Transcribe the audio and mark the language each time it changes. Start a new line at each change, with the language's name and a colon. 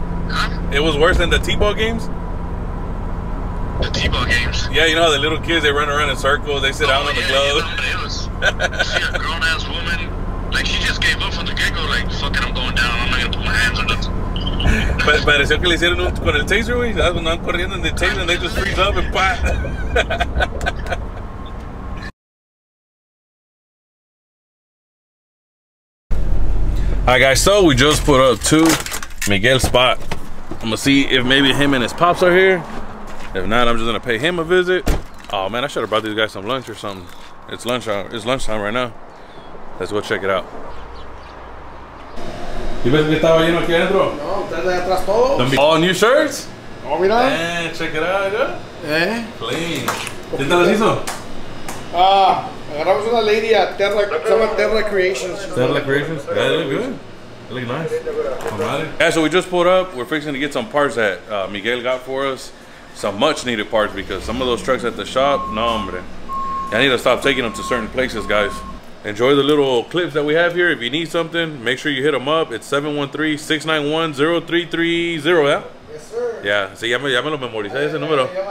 English: Huh? It was worse than the T-ball games? The T-ball games? Yeah, you know how the little kids, they run around in circles, they sit down on the gloves. Yeah, it was. See, a grown-ass woman, she just gave up from the get-go, fuck it, I'm going down, I'm not going to put my hands on nothing.
Spanish: Pareció que le hicieron un con el taser, güey. Cuando andan corriendo en el taser,
English: and they just freeze up
Spanish: and pa.
English: Alright, guys, so we just put up two Miguel spot. I'm gonna see if maybe him and his pops are here. If not, I'm just gonna pay him a visit. Oh man, I should have brought these guys some lunch or something. It's lunchtime right now. Let's go check it out.
Spanish: You ves que estaba lleno aquí adentro? No, ustedes de atrás todos.
English: All new shirts?
Spanish: Oh, mira.
English: Check it out, yeah. Clean.
Spanish: ¿Quién te las hizo? Agarramos una lady a Terra, se llama Terra Creations.
English: Terra Creations? Yeah, they look good. They look nice. All right. Yeah, so we just pulled up. We're fixing to get some parts that Miguel got for us. Some much needed parts because some of those trucks at the shop, no, hombre. I need to stop taking them to certain places, guys. Enjoy the little clips that we have here. If you need something, make sure you hit them up. It's 713-691-0330, yeah? Yes, sir.
Spanish: Yeah, sí, ya me lo memoricé ese número.